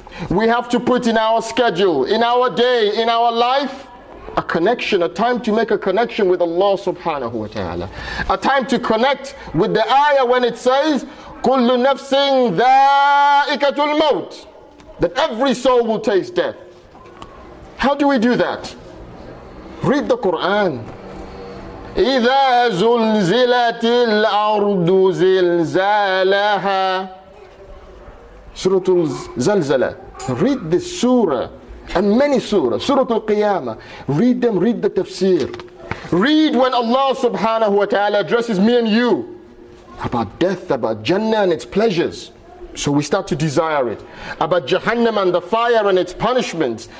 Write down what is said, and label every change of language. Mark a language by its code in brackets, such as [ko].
[en] We have to put in our schedule, in our day, in our life, a connection, a time to make a connection with Allah subhanahu wa ta'ala. A time to connect with the ayah when it says, "Kullu nafsin dha'ikatul maut," that every soul will taste death. How do we do that? Read the Quran. [ar] إِذَا زُلْزِلَتِ الْأَرْضُ زِلْزَالَهَا Surah Al-Zalzala. [en] Read this surah and many surah. Surah Al-Qiyamah. Read them, read the tafsir. Read when Allah subhanahu wa ta'ala addresses me and you about death, about Jannah and its pleasures. So we start to desire it. About Jahannam and the fire and its punishments.